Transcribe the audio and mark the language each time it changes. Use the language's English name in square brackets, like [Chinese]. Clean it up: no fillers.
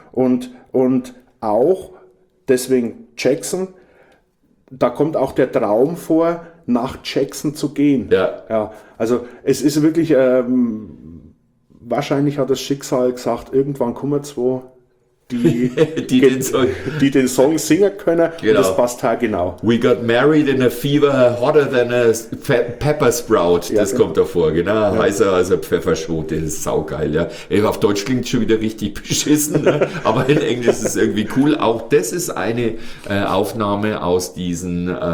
[German] Und auch, deswegen Jackson, da kommt auch der Traum vor, nach Jackson zu gehen. Ja. Ja. Also es ist wirklich, wahrscheinlich hat das Schicksal gesagt, irgendwann kommen zwei, die den Song singen können, genau. Das passt halt genau. [English] We got married in a fever hotter than a pepper sprout, [German] ja, das genau. Kommt davor, genau, heißer als eine Pfefferschote, das ist saugeil, ja. Ey, auf Deutsch klingt schon wieder richtig beschissen, ne? Aber in Englisch ist es irgendwie cool. Auch das ist eine Aufnahme aus diesen